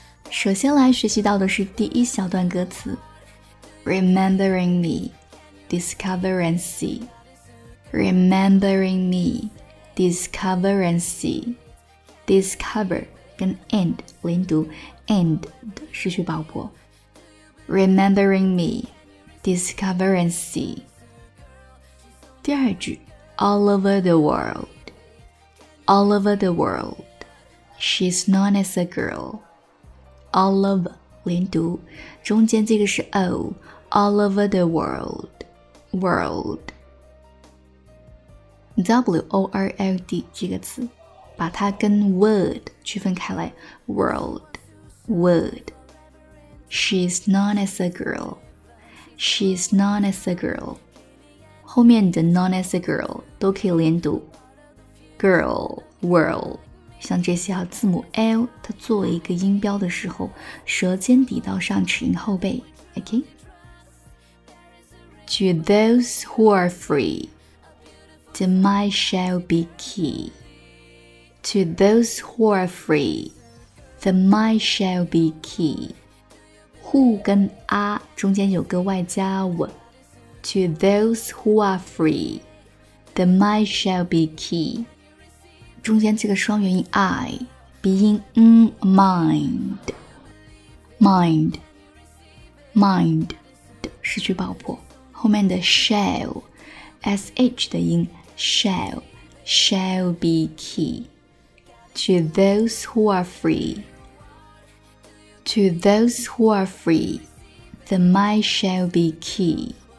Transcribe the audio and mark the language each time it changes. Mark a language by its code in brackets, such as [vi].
[zh] 首先来学习到的是第一小段歌词， [en] Remembering me, discover and see. Remembering me, discover and see. [zh] Discover 跟 and 连读， and 的失去爆破。 [en] Remembering me, discover and see. [zh] 第二句， [en] All over the world, all over the world, she's known as a girlAll over [zh] 连读，中间这个是 [en] O, All over the world, world, W-O-R-L-D [zh] 这个词，把它跟 [en] word [zh] 区分开来， [en] world, word. She's known as a girl, she's known as a girl. [zh] 后面的 [en] known as a girl [zh] 都可以连读， girl, world. 像这些啊，字母 L 它作为一个音标的时候，舌尖抵到上齿龈后背。 [en] OK, To those who are free, the mind shall be key. To those who are free, the mind shall be key. [zh] Who 跟 A 中间有个外加 W. [en] To those who are free, the mind shall be key. [zh] 中间这个双元音 I, 鼻音 N, mind, mind, mind, 的失去爆破。后面的 shall, SH 的音 shall, [en] shall be key. To those who are free, to those who are free, the mind shall be key.